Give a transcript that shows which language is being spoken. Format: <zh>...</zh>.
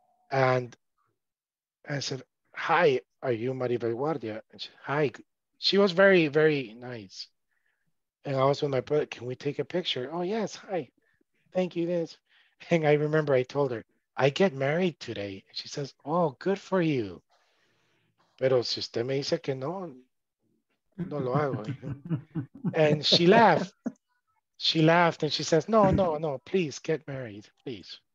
<en>And I said, hi, are you Maribel Guardia? And she was very, very nice. And I was with my brother, can we take a picture? Oh yes, hi, thank you, this. And I remember I told her, I get married today. And she says, oh, good for you.</en> <es>Pero si usted me dice que no, no lo hago.</es> <en>And she laughed. She laughed and she says, no, please get married, please.</en>